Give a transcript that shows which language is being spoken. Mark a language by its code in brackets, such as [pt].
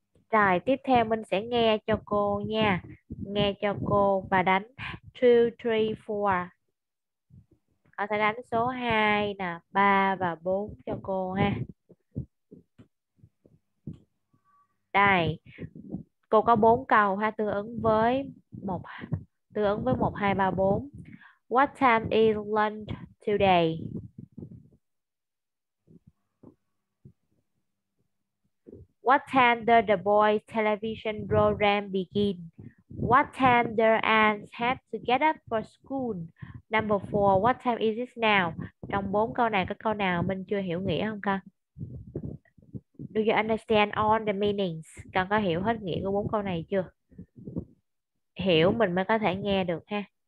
[vi] Rồi, tiếp theo mình sẽ nghe cho cô nha. Nghe cho cô và đánh 2, 3, 4. Cô sẽ đánh số 2 nè, 3 và 4 cho cô ha. Đây. Cô có 4 câu ha, tương ứng với 1 tương ứng với 1 2 3 4. [en] What time is lunch today? What time does the boy's television program begin? What time does Anne have to get up for school? Number 4, what time is it now? [vi] Trong 4 câu này có câu nào mình chưa hiểu nghĩa không con? [en] Do you understand all the meanings? [vi] Con có hiểu hết nghĩa của 4 câu này chưa? Hiểu mình mới có thể nghe được ha.